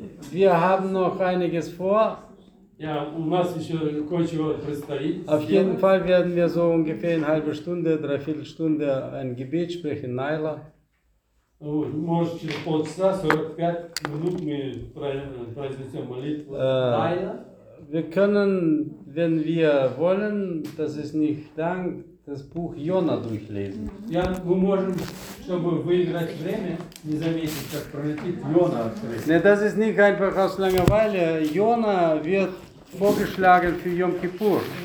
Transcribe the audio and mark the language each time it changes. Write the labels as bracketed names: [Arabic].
[German] Wir haben noch einiges vor. [Russian] Ja, у нас еще кое-чего предстоит. [German] Auf jeden Fall werden wir so ungefähr eine halbe Stunde, dreiviertel Stunde ein Gebet sprechen, Naila. [Russian] Может, через полчаса, 45 минут мы произнесем молитву. [German] Wir können, wenn wir wollen, das ist nicht dank, das Buch Jona durchlesen. [Russian] Ja, мы можем, чтобы выиграть время, не заметить, как пролетит Jona. [German] Nee, das ist nicht einfach aus Langeweile. Jona wird vorgeschlagen für Yom Kippur.